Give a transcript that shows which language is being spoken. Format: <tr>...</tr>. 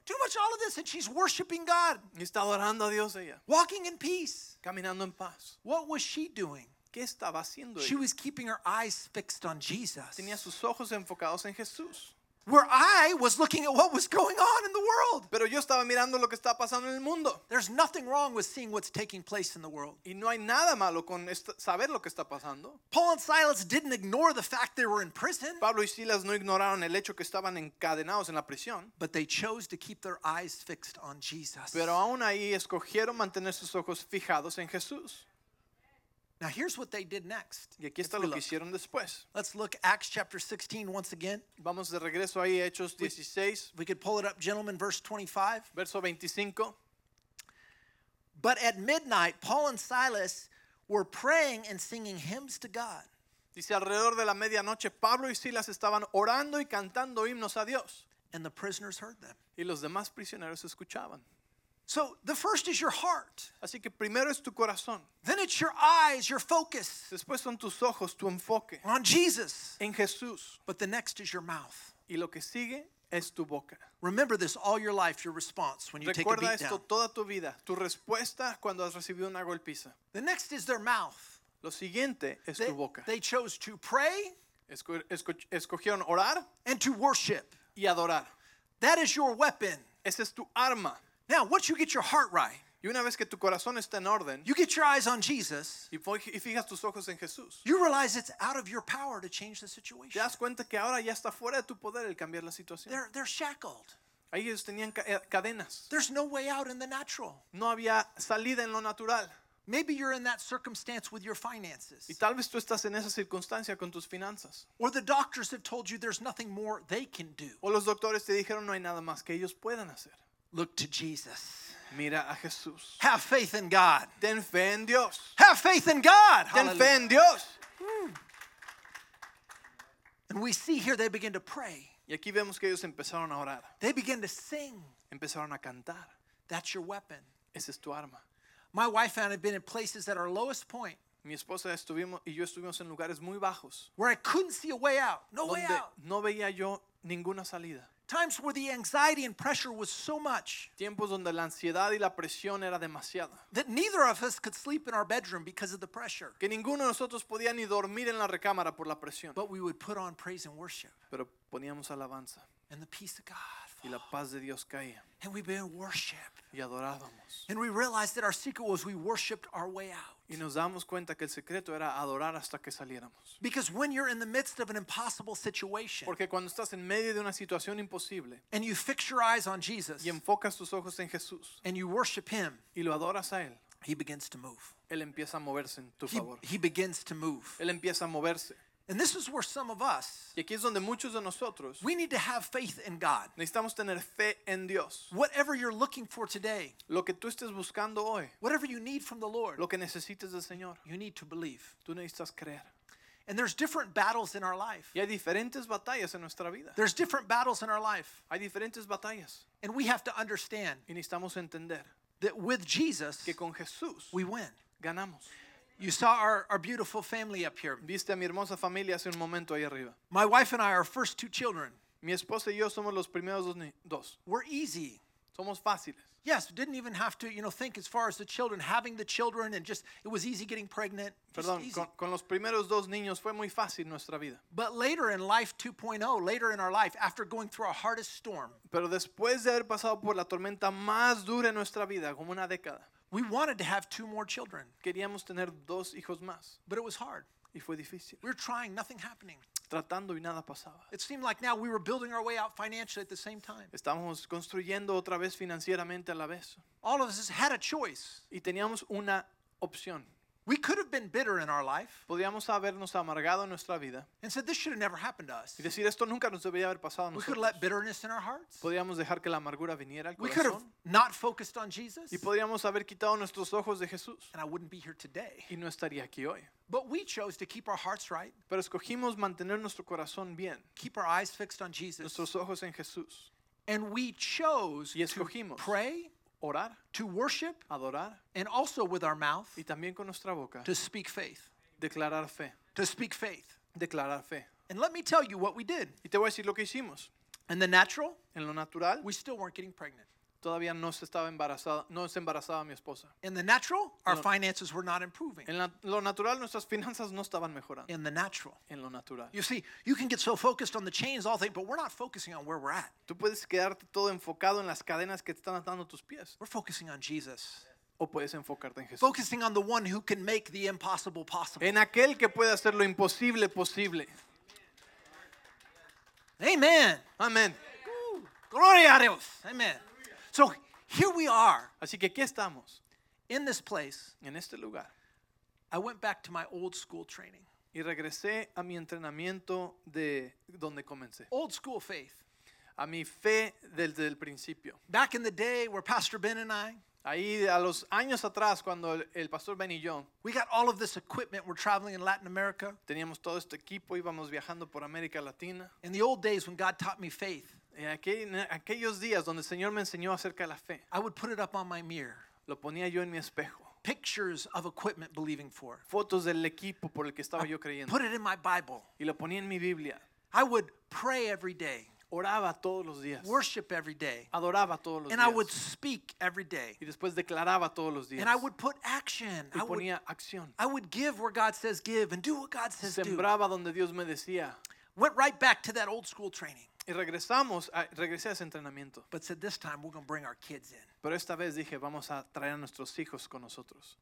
<en>Too much all of this, and she's worshiping God.</en> <es>Y está adorando a Dios ella.</es> <en>Walking in peace.</en> <es>Caminando en paz.</es> <en>What was she doing?</en> <es>¿Qué estaba haciendo ella?</es> <en>She was keeping her eyes fixed on Jesus.</en> <es>Tenía sus ojos enfocados en Jesús.</es> <en>Where I was looking at what was going on in the world.</en> <es>Pero yo estaba mirando lo que estaba pasando en el mundo.</es> <en>There's nothing wrong with seeing what's taking place in the world.</en> <es>Y no hay nada malo con saber lo que está pasando.</es> <en>Paul and Silas didn't ignore the fact they were in prison.</en> <es>Pablo y Silas no ignoraron el hecho que estaban encadenados en la prisión.</es> <en>But they chose to keep their eyes fixed on Jesus.</en> <es>Pero aún ahí escogieron mantener sus ojos fijados en Jesús.</es> <en>Now here's what they did next.</en> <es>Y aquí está lo que hicieron después.</es> <en>Let's look Acts chapter 16 once again.</en> <es>Vamos de regreso ahí, Hechos 16.</es> <en>We could pull it up, gentlemen, verse 25.</en> <es>Verso 25.</es> <en>But at midnight, Paul and Silas were praying and singing hymns to God.</en> <es>Dice, alrededor de la medianoche, Pablo y Silas estaban orando y cantando himnos a Dios.</es> <en>And the prisoners heard them.</en> <es>Y los demás prisioneros escuchaban.</es> <en>So the first is your heart.</en> <es>Así que primero es tu corazón.</es> <en>Then it's your eyes, your focus.</en> <es>Después son tus ojos, tu enfoque.</es> <en>On Jesus.</en> <es>En Jesús.</es> <en>But the next is your mouth.</en> <es>Y lo que sigue es tu boca.</es> <en>Remember this all your life, your response when you</en> <es>Recuerda</es> <en>take a beat</en> <es>esto</es> <en>down.</en> <es>Toda tu vida, tu respuesta cuando has recibido una golpiza.</es> <en>The next is their mouth.</en> <es>Lo siguiente es</es> <en>they,</en> <es>tu boca.</es> <en>They chose to pray.</en> <es>Escogieron orar.</es> <en>And to worship.</en> <es>Y adorar.</es> <en>That is your weapon.</en> <es>Esa es tu arma.</es> <en>Now, once you get your heart right,</en> <es>y una vez que tu corazón está en orden,</es> <en>you get your eyes on Jesus,</en> <es>y fijas tus ojos en Jesús,</es> <en>you realize it's out of your power to change the situation.</en> <es>Te das cuenta que ahora ya está fuera de tu poder el cambiar la situación.</es> <en>They're shackled.</en> <es>Ahí ellos tenían cadenas.</es> <en>There's no way out in the natural.</en> <es>No había salida en lo natural.</es> <en>Maybe you're in that circumstance with your finances.</en> <es>Y tal vez tú estás en esa circunstancia con tus finanzas.</es> <en>Or the doctors have told you there's nothing more they can do.</en> <es>O los doctores te dijeron no hay nada más que ellos puedan hacer.</es> <en>Look to Jesus.</en> <es>Mira a Jesús.</es> <en>Have faith in God.</en> <es>Ten fe en Dios.</es> <en>Have faith in God.</en> <es>Ten fe en Dios.</es> <en>And we see here they begin to pray.</en> <es>Y aquí vemos que ellos empezaron a orar.</es> <en>They begin to sing.</en> <es>Empezaron a cantar.</es> <en>That's your weapon.</en> <es>Esa es tu arma.</es> <en>My wife and I have been in places at our lowest point.</en> <es>Mi esposa estuvimos y yo estuvimos en lugares muy bajos.</es> <en>Where I couldn't see a way out. No way out.</en> <es>No veía yo ninguna salida.</es> <en>Times where the anxiety and pressure was so much.</en> <es>Tiempos donde la ansiedad y la presión era demasiada.</es> <en>That neither of us could sleep in our bedroom because of the pressure.</en> <es>Que ninguno de nosotros podía ni dormir en la recámara por la presión.</es> <en>But we would put on praise and worship.</en> <es>Pero poníamos alabanza.</es> <en>And the peace of God.</en> <es>Y la paz de Dios caía.</es> <en>And we began to worship.</en> <es>Y adorábamos.</es> <en>And we realized that our secret was we worshiped our way out.</en> <es>Y nos damos cuenta que el secreto era adorar hasta que saliéramos.</es> <en>Because when you're in the midst of an impossible situation,</en> <es>porque cuando estás en medio de una situación imposible,</es> <en>and you fix your eyes on Jesus,</en> <es>y enfocas tus ojos en Jesús,</es> <en>and you worship him,</en> <es>y lo adoras a él,</es> <en>he begins to move.</en> <es>Él empieza a moverse en tu favor.</es> <en>He begins to move.</en> <es>Él empieza a moverse.</es> <en>And this is where some of us,</en> <es>y aquí es donde muchos de nosotros,</es> <en>we need to have faith in God.</en> <es>Necesitamos tener fe en Dios.</es> <en>Whatever you're looking for today,</en> <es>lo que tú estés buscando hoy,</es> <en>whatever you need from the Lord,</en> <es>lo que necesites del Señor,</es> <en>you need to believe.</en> <es>Tú necesitas creer.</es> <en>And there's different battles in our life.</en> <es>Y hay diferentes batallas en nuestra vida.</es> <en>There's different battles in our life.</en> <es>Hay diferentes batallas.</es> <en>And we have to understand,</en> <es>y necesitamos entender,</es> <en>that with Jesus,</en> <es>que con Jesús,</es> <en>we win.</en> <es>Ganamos.</es> <en>You saw our beautiful family up here.</en> <es>Viste a mi hermosa familia hace un momento ahí arriba.</es> <en>My wife and I are first two children.</en> <es>Mi esposa y yo somos los primeros dos.</es> <en>We're easy.</en> <es>Somos fáciles.</es> <en>Yes, didn't even have to, you know, think as far as the children, having the children, and just it was easy getting pregnant.</en> <es>Perdón, con los primeros dos niños fue muy fácil nuestra vida.</es> <en>But later in life 2.0, later in our life, after going through our hardest storm.</en> <es>Pero después de haber pasado por la tormenta más dura en nuestra vida, como una década.</es> <en>We wanted to have two more children.</en> <es>Queríamos tener dos hijos más.</es> <en>But it was hard.</en> <es>Y fue difícil.</es> <en>We were trying, nothing happening.</en> <es>tratando y nada pasaba.</es> <en>It seemed like now we were building our way out financially at the same time.</en> <es>Estábamos construyendo otra vez financieramente a la vez.</es> <en>All of us had a choice.</en> <es>Y teníamos una opción.</es> <en>We could have been bitter in our life.</en> <es>Podíamos habernos amargado en nuestra vida.</es> <en>And said this should have never happened to us.</en> <es>Y decir esto nunca nos debería haber pasado a nosotros.</es> <en>We could have let bitterness in our hearts.</en> <es>Podíamos dejar que la amargura viniera al corazón.</es> <en>We could have not focused on Jesus.</en> <es>Y podríamos haber quitado nuestros ojos de Jesús.</es> <en>And I wouldn't be here today.</en> <es>Y no estaría aquí hoy.</es> <en>But we chose to keep our hearts right.</en> <es>Pero escogimos mantener nuestro corazón bien.</es> <en>Keep our eyes fixed on Jesus.</en> <es>Nuestros ojos en Jesús.</es> <en>And we chose</en> <es>y escogimos</es> <en>to pray.</en> <es>Orar,</es> <en>to worship,</en> <es>adorar,</es> <en>and also with our mouth,</en> <es>y también con nuestra boca,</es> <en>to speak faith,</en> <es>declarar fe,</es> <en>to speak faith,</en> <es>declarar fe.</es> <en>And let me tell you what we did.</en> <es>Y te voy a decir lo que hicimos.</es> <en>In the natural,</en> <es>en lo natural,</es> <en>we still weren't getting pregnant.</en> <es>Todavía no se estaba embarazada, no se embarazaba mi esposa.</es> <en>In the natural, our finances were not improving.</en> <es>En lo natural, nuestras finanzas no estaban mejorando.</es> <en>In the natural,</en> <es>en lo natural.</es> <en>You see, you can get so focused on the chains, all things, but we're not focusing on where we're at.</en> <es>Tú puedes quedarte todo enfocado en las cadenas que te están atando tus pies.</es> <en>We're focusing on Jesus.</en> <es>O puedes enfocarte en Jesús.</es> <en>Focusing on the one who can make the impossible possible.</en> <es>En aquel que puede hacer lo imposible posible.</es> <en>Amen.</en> <es>Amen. Gloria a Dios.</es> <en>Amen. So here we are.</en> <es>Así que aquí estamos.</es> <en>In this place.</en> <es>En este lugar.</es> <en>I went back to my old school training.</en> <es>Y regresé a mi entrenamiento de donde comencé.</es> <en>Old school faith.</en> <es>A mi fe desde el principio.</es> <en>Back in the day where Pastor Ben and I.</en> <es>Ahí a los años atrás cuando el Pastor Ben y yo.</es> <en>We got all of this equipment. We're traveling in Latin America.</en> <es>Teníamos todo este equipo. Íbamos viajando por América Latina.</es> <en>In the old days when God taught me faith.</en> <es>En aquellos días donde el Señor me enseñó acerca de la fe,</es> <en>I would put it up on my mirror.</en> <es>Lo ponía yo en mi espejo.</es> <en>Pictures of equipment believing for.</en> <es>Fotos del equipo por el que estaba</es> <en>I</en> <es>yo creyendo.</es> <en>Put it in my Bible.</en> <es>Y lo ponía en mi Biblia.</es> <en>I would pray every day.</en> <es>Oraba todos los días.</es> <en>Worship every day.</en> <es>Adoraba todos los</es> <en>and</en> <es>días.</es> <en>I would speak every day.</en> <es>Y después declaraba todos los días.</es> <en>And I would put action.</en> <es>Y ponía acción.</es> <en>I would give where God says give and do what God says</en> <es>sembraba</es> <en>do.</en> <es>Sembraba donde Dios me decía.</es> <en>Went right back to that old school training.</en> <es>Y regresé a ese entrenamiento.</es> <en>But said, this time we're going to bring our kids in.</en> <es>Pero esta vez dije, vamos a traer a nuestros hijos con nosotros.</es>